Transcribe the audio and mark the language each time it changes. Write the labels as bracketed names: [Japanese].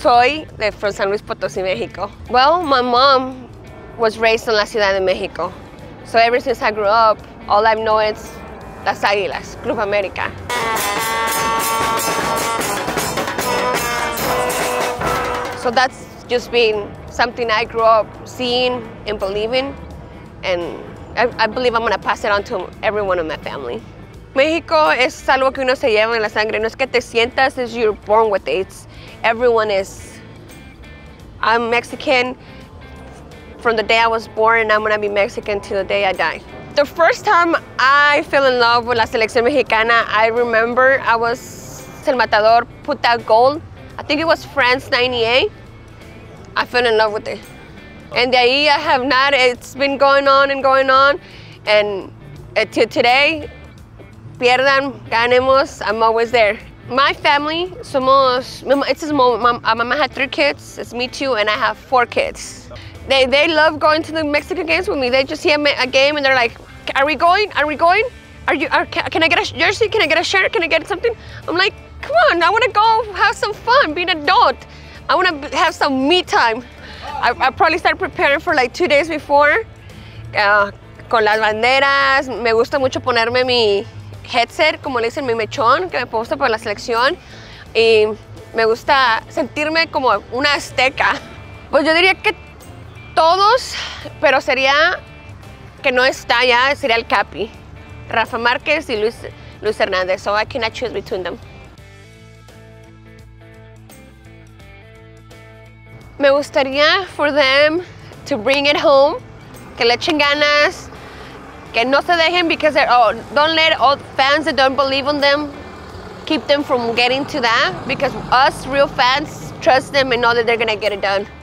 [Spanish] Soy de San Luis Potosí, Mexico. [English] Well, my mom was raised in La Ciudad de Mexico. So ever since I grew up, all I know is Las Águilas, Club America. So that's just been something I grew up seeing and believing. And I believe I'm gonna pass it on to everyone in my family. [Spanish] Mexico es algo que uno se lleva en la sangre. [English] No es que te sientas, es you're born with it. It's, everyone is. I'm Mexican from the day I was born, and I'm gonna be Mexican till the day I die. The first time I fell in love with La Selección Mexicana, I remember I was, El Matador put that goal. I think it was France 98. I fell in love with it. And de ahí I have not, it's been going on and going on. And till today, pierdan, ganemos, I'm always there. My family, somos, it's a small, my mama had 3 kids, it's me 2, and I have 4 kids. They love going to the Mexican games with me. They just see a game and they're like, are we going? Can I get a jersey? Can I get a shirt? Can I get something? I'm like, come on, I wanna go have some fun, be an adult. I wanna have some me time. I probably started preparing for like 2 days before. [Spanish] Con las banderas, me gusta mucho ponerme mi headset, como le dicen, mi mechón, que me puse para la selección. Y me gusta sentirme como una azteca. Pues yo diría que todos, pero sería que no está ya, sería el Capi. [English] Rafa Márquez y Luis Hernández, so I cannot choose between them. Me gustaría for them to bring it home, que le echen ganas, que no se dejen, because don't let all fans that don't believe in them keep them from getting to that, because us real fans trust them and know that they're gonna get it done.